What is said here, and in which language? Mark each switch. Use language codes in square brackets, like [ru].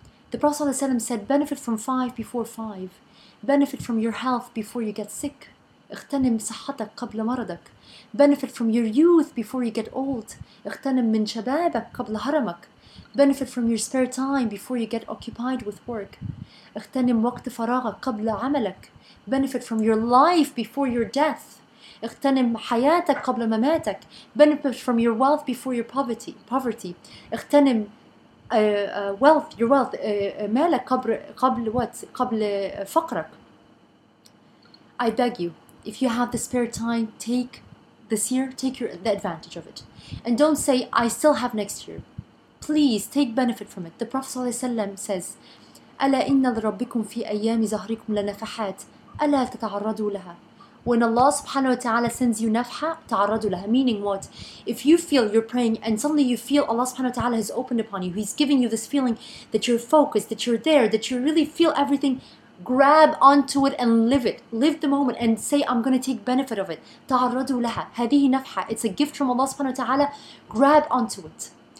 [en] The Prophet ﷺ said, benefit from 5 before 5. Benefit from your health before you get sick. [ar] اغتنم صحتك قبل مرضك. [en] Benefit from your youth before you get old. [ar] اغتنم من شبابك قبل هرمك. [en] Benefit from your spare time before you get occupied with work. [ar] اغتنم وقت فراغك قبل عملك. [en] Benefit from your life before your death. [ar] اغتنم حياتك قبل مماتك. [en] Benefit from your wealth before your poverty. [ar] اغتنم [en] your wealth, [ar] مالك قبل [en] what? [ar] قبل فقرك. [en] I beg you, if you have the spare time, take this year, take the advantage of it. And don't say, I still have next year. Please, take benefit from it. The Prophet ﷺ says, [ar] أَلَا إِنَّ لَرَبِّكُمْ فِي أَيَّامِ زَهْرِكُمْ لَنَفَحَاتِ أَلَا تَتَعَرَّدُوا لَهَا. [en] When Allah subhanahu wa ta'ala sends you nafha, [ar] ta'arradu laha, [en] meaning what? If you feel you're praying and suddenly you feel Allah subhanahu wa ta'ala has opened upon you, He's giving you this feeling that you're focused, that you're there, that you really feel everything, grab onto it and live it. Live the moment and say, I'm going to take benefit of it. [ar] Ta'arradu laha, hadihi nafha. [en] It's a gift from Allah subhanahu wa ta'ala. Grab onto it.